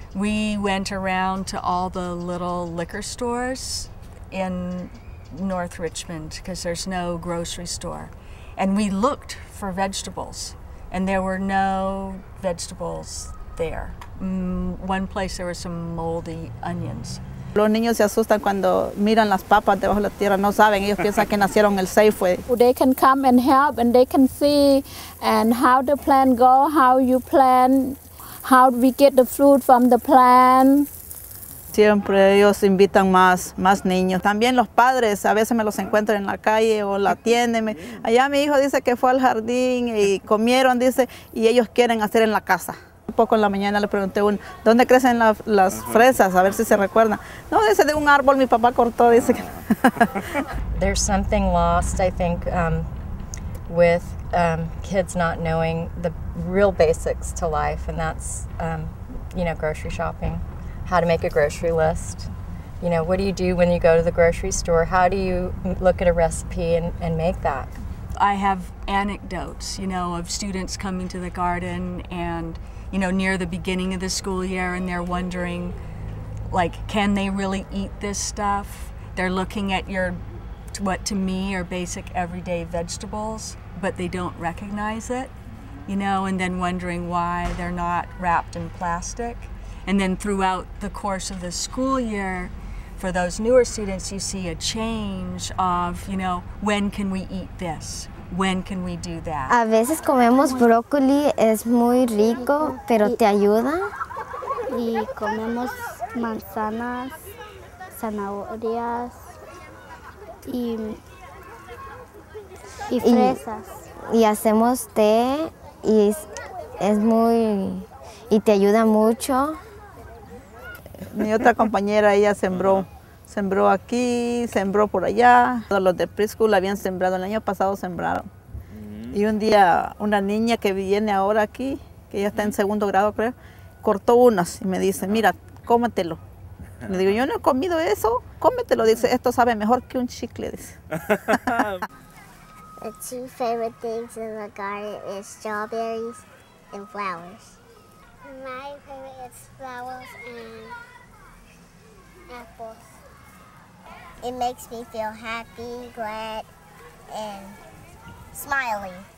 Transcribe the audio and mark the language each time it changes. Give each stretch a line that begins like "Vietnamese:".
English: We went around to all the little liquor stores in North Richmond because there's no grocery store. And we looked for vegetables, and there were no vegetables there. One place there were some moldy onions.
Spanish: Los niños se asustan cuando miran las papas debajo de la tierra, no saben, ellos piensan que nacieron el Safeway.
English: They can come and help and they can see and how the plan go, how you plan, how we get the fruit from the plan.
Spanish: Siempre ellos invitan más niños. También los padres, a veces me los encuentro en la calle o la tienda. Allá mi hijo dice que fue al jardín y comieron, dice, y ellos quieren hacer en la casa. Un poco en la mañana le pregunté a uno, ¿dónde crecen las fresas? A ver si se recuerda. No, dice, de un árbol mi papá cortó, dice. Que...
English: There's something lost, I think, with kids not knowing the real basics to life, and that's, you know, grocery shopping. How to make a grocery list. You know, what do you do when you go to the grocery store? How do you look at a recipe and make that? I have anecdotes, you know, of students coming to the garden and, you know, near the beginning of the school year, and they're wondering, like, can they really eat this stuff? They're looking at your, what to me are basic everyday vegetables, but they don't recognize it, you know, and then wondering why they're not wrapped in plastic. And then throughout the course of the school year, for those newer students, you see a change of, you know, when can we eat this? When can we do that?
Spanish: A veces comemos brócoli, es muy rico, pero te ayuda. Y comemos manzanas, zanahorias, y fresas. Y hacemos té, y es muy, y te ayuda mucho. Mi otra compañera, ella sembró. Sembró aquí, sembró por allá. Los de preschool habían sembrado, el año pasado sembraron. Y un día, una niña que viene ahora aquí, que ya está en segundo grado, creo, cortó unas y me dice, mira, cómetelo. Le digo, yo no he comido eso, cómetelo. Dice, esto sabe mejor que un chicle, dice.
English: The two favorite things in the garden is strawberries and flowers. My favorite is flowers and apples. It makes me feel happy, glad, and smiley.